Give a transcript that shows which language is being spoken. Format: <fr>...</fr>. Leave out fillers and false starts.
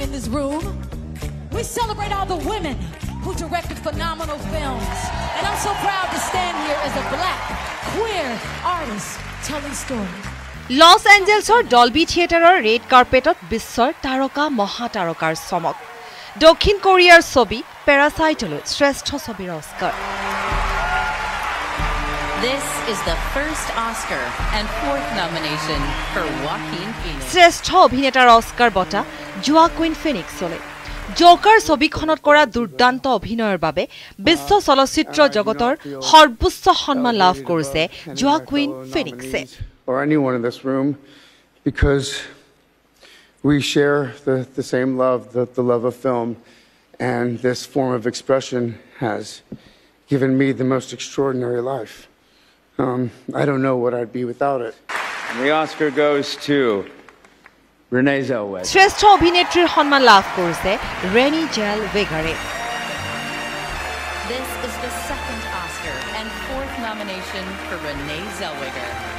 <en>room, we celebrate all the women who directed phenomenal films. And I'm so proud to stand here as a black, queer artist telling stories.</en> <as>Loss এঞ্জেলছৰ Dolby থিয়েটাৰৰ red কাৰ্পেটত বিশ্বৰ তাৰকা মহাতাৰকাৰ চমক। দক্ষিণ কোৰিয়াৰ ছবি পেৰাছাইটলৈ শ্ৰেষ্ঠ ছবিৰ অস্কাৰ। শ্ৰেষ্ঠ অভিনেতাৰ অস্কাৰ বঁটা জোৱাকুইন ফিনিক্সলৈ। জোকাৰ ছবিখনত কৰা দুৰ্দান্ত অভিনয়ৰ বাবে বিশ্ব চলচ্চিত্ৰ জগতৰ সৰ্বোচ্চ সন্মান লাভ কৰিছে Joaquin ফিনিক্সে।</as> <en>Or anyone in this room, because we share the same love, the love of film, and this form of expression has given me the most extraordinary life. I don't know what I'd be without it. And the Oscar goes to Renee Zellweger.</en> <as>শ্রেষ্ঠ অভিনেত্রীৰ সন্মান লাভ কৰিছে ৰেনি gel ৱেগাৰে।</as> <en>This is the second Oscar and fourth nomination for Renee Zellweger.</en>